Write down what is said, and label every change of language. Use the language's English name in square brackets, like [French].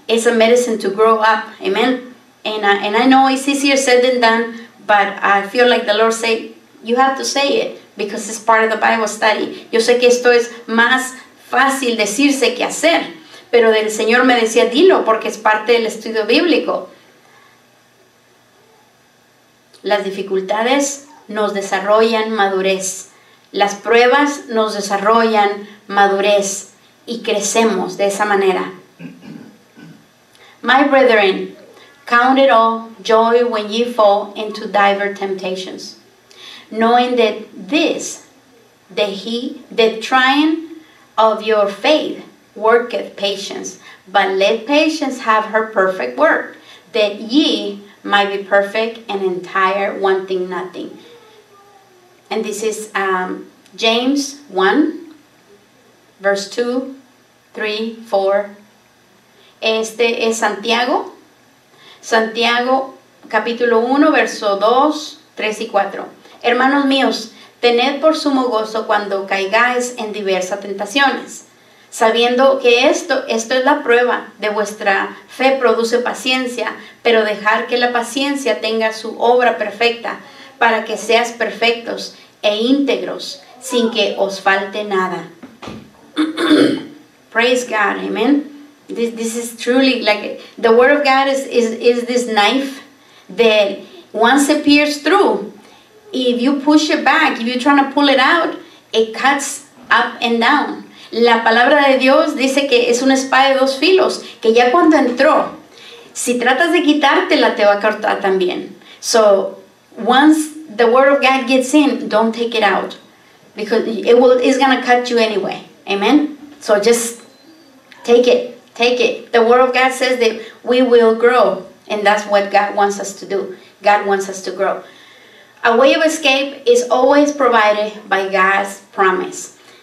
[English] It's a medicine to grow up. Amen. And I know it's easier said than done, but I feel like the Lord said, you have to say it, because it's part of the Bible study. [Spanish] Yo sé que esto es más fácil decirse que hacer, pero el Señor me decía, dilo, porque es parte del estudio bíblico. Las dificultades nos desarrollan madurez. Las pruebas nos desarrollan madurez y crecemos de esa manera. [English] My brethren, count it all joy when ye fall into divers temptations, knowing that this, the trying of your faith worketh patience. But let patience have her perfect work, that ye might be perfect and entire, wanting nothing. And this is James 1, verse 2, 3, 4. [Spanish] Este es Santiago. Santiago, capítulo 1, verso 2, 3 y 4. Hermanos míos, tened por sumo gozo cuando caigáis en diversas tentaciones, sabiendo que esto es la prueba de vuestra fe, produce paciencia, pero dejar que la paciencia tenga su obra perfecta para que seas perfectos e íntegros sin que os falte nada. [English] Praise God, amen. This is truly like the word of God is this knife that once it pierces through, if you push it back, if you're trying to pull it out, it cuts up and down. [Spanish] La palabra de Dios dice que es una espada de dos filos, que ya cuando entró, si tratas de quitártela, te va a cortar también. [English] So, once the word of God gets in, don't take it out. Because it's going to cut you anyway. Amen? So, just take it. The word of God says that we will grow. And that's what God wants us to do. God wants us to grow. A way of escape is always provided by God's promise.